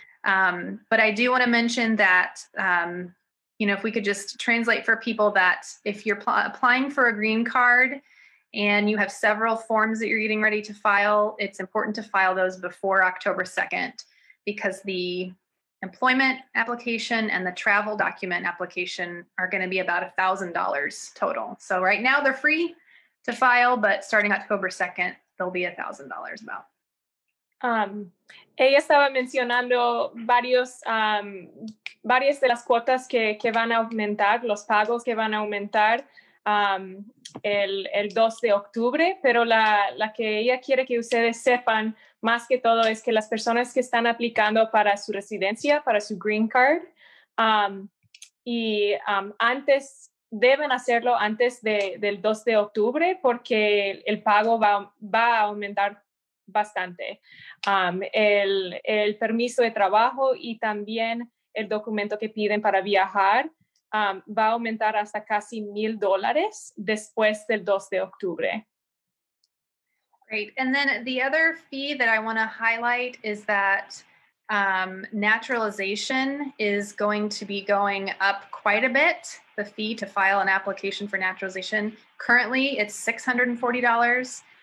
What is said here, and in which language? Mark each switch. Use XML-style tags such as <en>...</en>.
<en>But I do want to mention that, you know, if we could just translate for people that if you're applying for a green card and you have several forms that you're getting ready to file, it's important to file those before October 2nd, because the employment application and the travel document application are going to be about $1,000 total. So right now they're free to file, but starting October 2nd, they'll be $1,000 about.</en> <es>Ella estaba mencionando varias de las cuotas que van a aumentar, los pagos que van a aumentar el 2 de octubre, pero la que ella quiere que ustedes sepan más que todo es que las personas que están aplicando para su residencia, para su green card, antes deben hacerlo antes del 2 de octubre porque el pago va a aumentar bastante. El permiso de trabajo y también el documento que piden para viajar va a aumentar hasta casi $1,000 después del 2 de octubre.</es> <en>Great. And then the other fee that I want to highlight is that naturalization is going to be going up quite a bit. The fee to file an application for naturalization, currently it's $640.</en>